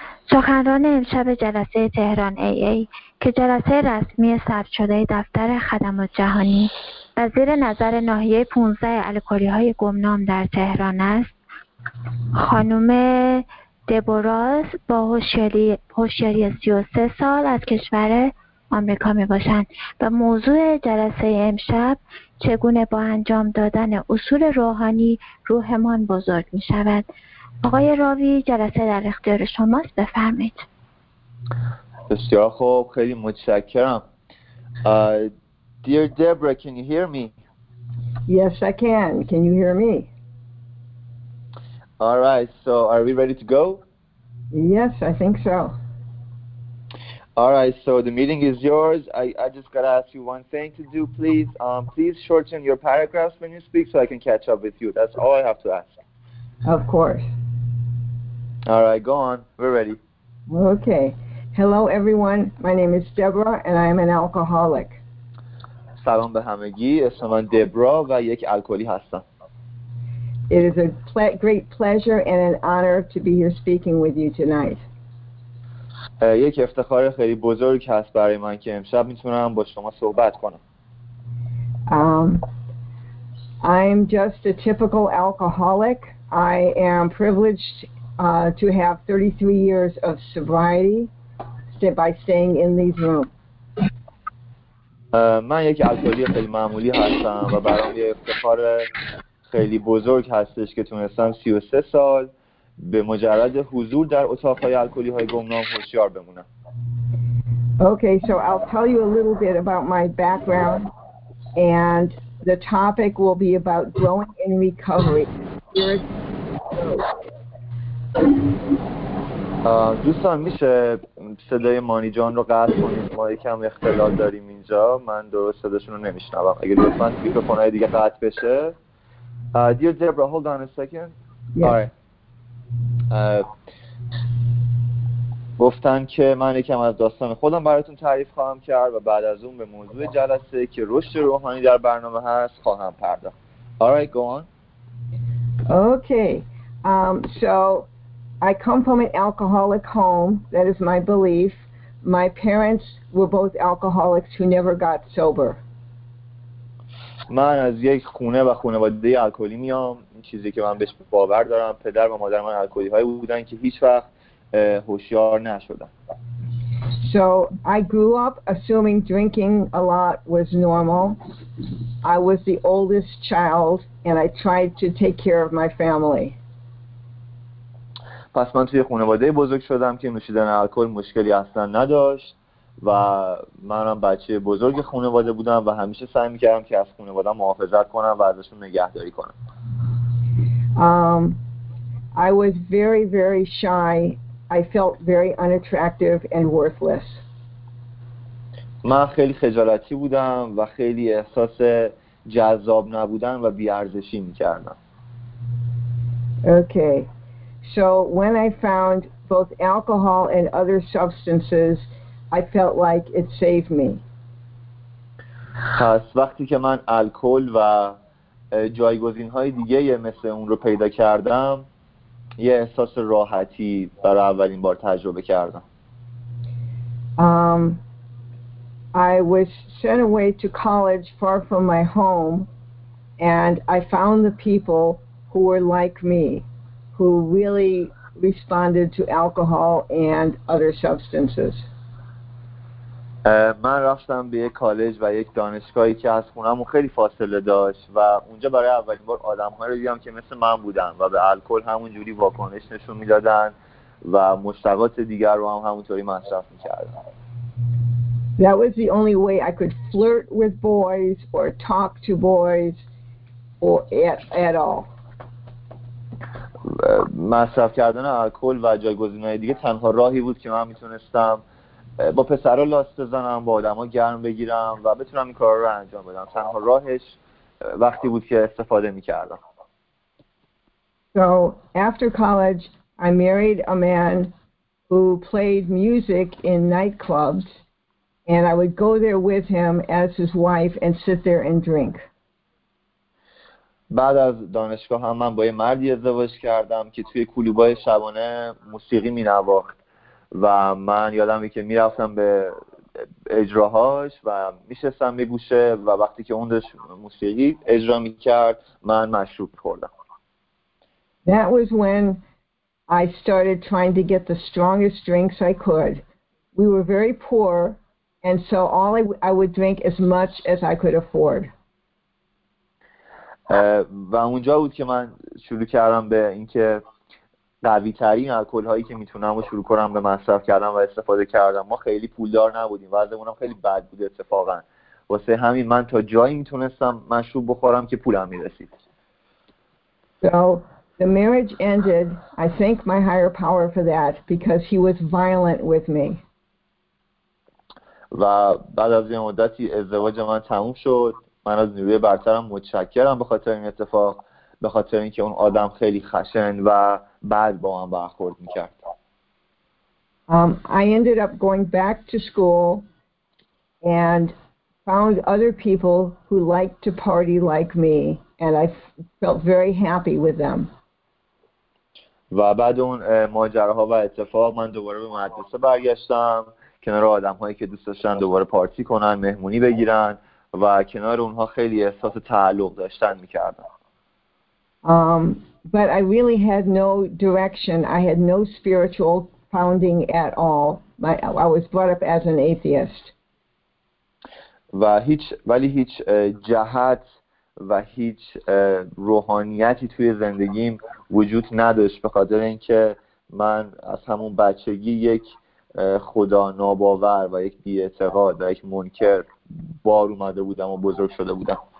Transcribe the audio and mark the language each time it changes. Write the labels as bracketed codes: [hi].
[fa] سخنران امشب جلسه تهران AA که جلسه رسمی ثبت شده دفتر خدمات جهانی و زیر نظر ناحیه 15 الکلی های گمنام در تهران است، خانم دبوراز با هوشیاری 33 سال از کشور آمریکا می باشند و موضوع جلسه امشب چگونه با انجام دادن اصول روحانی روحمان بزرگ می شود. آقای راوی، جلسه در اختیار شماست، بفرمایید. بسیار خوب، خیلی متشکرم. [en] Dear Deborah, can you hear me? Yes, I can. Can you hear me? All right, so are we ready to go? Yes, I think so. All right, so the meeting is yours. I just got to ask you one thing to do, please. Please shorten your paragraphs when you speak so I can catch up with you. That's all I have to ask. Of course. All right, go on. We're ready. Okay. Hello, everyone. My name is Deborah, and I am an alcoholic. [fa] سلام به همگی. اسم من دبرا و یک الکلی هستم. [en] It is a great pleasure and an honor to be here speaking with you tonight. [fa] یک افتخار خیلی بزرگ هست برای من که امشب میتونم با شما صحبت کنم. [en] I'm just a typical alcoholic. I am privileged to have 33 years of sobriety by staying in these rooms. [fa] من یک الکلی خیلی معمولی هستم و برام یه افتخار خیلی بزرگ هستش که تونستم 33 سال به مجرد حضور در اتاق‌های الکلی های گمنام هوشیار بمونم. [en] Okay, so I'll tell you a little bit about my background, and the topic will be about growing in recovery. [fa] دوستان میشه صدای مانی جان رو قطع کنید؟ ما یکم اختلال داریم اینجا، من درست صداشون رو نمیشنوم. اگر لطفاً میکروفونای دیگه قطع بشه. [en] Dear Deborah, hold on a second. Yes. All right. [fa] گفتن که من یکم از داستان خودم براتون تعریف خواهم کرد و بعد از اون به موضوع جلسه که رشد روحانی در برنامه هست خواهم پرداخت. [en] All right, go on. Okay. So I come from an alcoholic home. That is my belief. My parents were both alcoholics who never got sober. [fa] من از یک خونه و خانواده الکلی میام. چیزی که من بهش باور دارم، پدر و مادر من الکلی های بودن که هیچ وقت هوشیار نشدن. [en] So I grew up assuming drinking a lot was normal. I was the oldest child and I tried to take care of my family. [fa] پس من توی خانواده بزرگ شدم که نوشیدن الکل مشکلی اصلا نداشت و منم بچه بزرگ خانواده بودم و همیشه سعی می‌کردم که از خانواده محافظت کنم و ازشون نگهداری کنم. [en] I was very very shy. I felt very unattractive and worthless. [fa] من خیلی خجالتی بودم و خیلی احساس جذاب نبودن و بی‌ارزشی می‌کردم. [en] Okay. So when I found both alcohol and other substances, I felt like it saved me. [fa] خاص وقتی که من الکل و جایگزین‌های دیگه مثل اون رو پیدا کردم، یه احساس راحتی برای اولین بار تجربه کردم. [en] I was sent away to college far from my home and I found the people who were like me. Who really responded to alcohol and other substances. [fa] من رفتم به یک کالج و یک دانشگاهی که از خونه‌مون خیلی فاصله داشت و اونجا برای اولین بار آدم‌ها رو دیدم که مثل من بودن و به الکل همون جوری واکنش نشون می‌دادن و مشتقات دیگر رو هم همونطوری مصرف می‌کردن. [en] That was the only way I could flirt with boys or talk to boys or at all. [fa] مصرف کردن الکل و جایگزین‌های دیگه تنها راهی بود که من میتونستم با پسرها لاست بزنم، با آدم‌ها گرم بگیرم و بتونم این کار رو انجام بدم. تنها راهش وقتی بود که استفاده می‌کردم. [en] So after college I married a man who played music in nightclubs and I would go there with him as his wife and sit there and drink. [fa] بعد از دانشگاه هم من با یه مردی ازدواج کردم که توی کلوبای شبانه موسیقی می نواخت و من یادمه که میرفتم به اجراهاش و میشستم به گوشه و وقتی که اون داشت موسیقی اجرا میکرد من مشروب خوردم. [en] That was when I started trying to get the strongest drinks I could. We were very poor and so all I would drink as much as I could afford. [fa] و اونجا بود که من شروع کردم به اینکه قوی ترین الکل هایی که میتونم و شروع کنم به مصرف کردم و استفاده کردم. ما خیلی پولدار نبودیم و وضعمونم خیلی بد بود اتفاقا. واسه همین من تا جایی میتونستم مشروب بخورم که پولم میرسید. [en] So the marriage ended. I thank my higher power for that because he was violent with me. [fa] و بعد از یه مدتی ازدواج من تموم شد. من از نیروی برترم متشکرم به خاطر این اتفاق، به خاطر اینکه اون آدم خیلی خشن و بد با من برخورد میکرد. [en] I ended up going back to school and found other people who liked to party like me and I felt very happy with them. [fa] و بعد اون ماجراها و اتفاق من دوباره به مدرسه برگشتم، کنار آدمهایی که دوست داشتن دوباره پارتی کنن، مهمونی بگیرن و کنار اونها خیلی احساس تعلق داشتن میکردم. [en] But I really had no direction. I had no spiritual founding at all. I was brought up as an atheist. [fa] ولی هیچ جهت و هیچ روحانیتی توی زندگیم وجود نداشت به خاطر اینکه من از همون بچگی یک خدا ناباور و یک بی‌اعتقاد و یک منکر بار اومده بودم و بزرگ شده بودم.